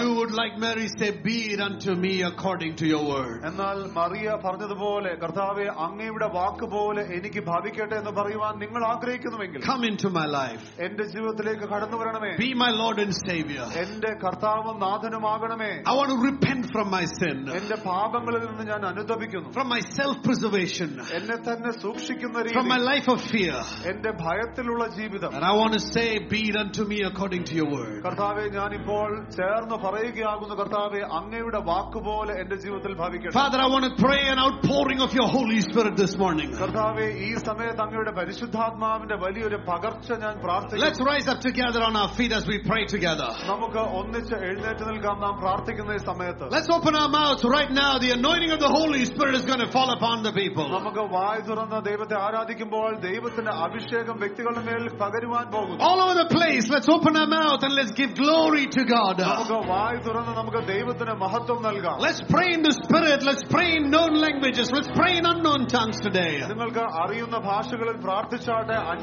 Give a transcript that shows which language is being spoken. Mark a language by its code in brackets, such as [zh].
[en] But if you would like Mary, say, be it unto me according to your word. [ml] എന്നാൽ മറിയ പറഞ്ഞതുപോലെ, കർത്താവേ, അങ്ങയുടെ വാക്ക് പോലെ എനിക്ക് ഭവിക്കട്ടെ എന്ന് പറയുവാൻ നിങ്ങൾ ആഗ്രഹിക്കുന്നുവെങ്കിൽ, [en] come into my life, [ml] എന്റെ ജീവിതത്തിലേക്ക് കടന്നു വരണമേ. [en] Be my Lord and Savior, [ml] എന്റെ കർത്താവും നാഥനുമാകണമേ. [en] I want to repent from my sin, [ml] എന്റെ പാപങ്ങളിൽ നിന്ന് ഞാൻ അനുതപിക്കുന്നു. [en] From my self preservation, [ml] എന്നെ തന്നെ സൂക്ഷിക്കുന്ന രീതി. [en] From my life of fear, [ml] എന്റെ ഭയത്തിലുള്ള ജീവിതം. [en] And I want to say, be it unto me according to your word, [ml] കർത്താവേ, ഞാൻ ഇപ്പോൾ ചേർന്ന് പറയുകയാകുന്നു, കർത്താവേ, അങ്ങയുടെ വാക്ക് പോലെ എന്റെ ജീവിതത്തിൽ ഭവിക്കട്ടെ. [en] Father, I want to pray an outpouring of your Holy Spirit this morning. [ml] കർത്താവേ, ഈ സമയത്ത് അങ്ങയുടെ പരിശുദ്ധാത്മാവിന്റെ വലിയൊരു പകർച്ച ഞാൻ പ്രാർത്ഥിക്കുന്നു. [en] Let's rise up together on our feet as we pray together. [ml] നമുക്ക് ഒന്നിച്ച് എഴുന്നേറ്റ് നിൽക്കാം നാം പ്രാർത്ഥിക്കുന്ന ഈ സമയത്ത്. [en] Let's open our mouths right now. The anointing of the Holy Spirit is going to fall upon the people. [ml] നമുക്ക് വായ് തുറന്ന് ദൈവത്തെ ആരാധിക്കുമ്പോൾ ദൈവത്തിന്റെ അഭിഷേകം വ്യക്തികളുടെ മേൽ പകരുവാൻ പോകുന്നു. [en] All over the place, let's open our mouth and let's give glory to God. [ml] നമുക്ക് വായ് തുറന്ന് നമുക്ക് ദൈവത്തിന് മഹത്വം നൽകാം. [en] Let's pray in the spirit. Let's pray in known languages. Let's pray in unknown tongues today. [ml] നിങ്ങൾക്ക് അറിയുന്ന ഭാഷകളിൽ പ്രാർത്ഥിച്ചാട്ടെ.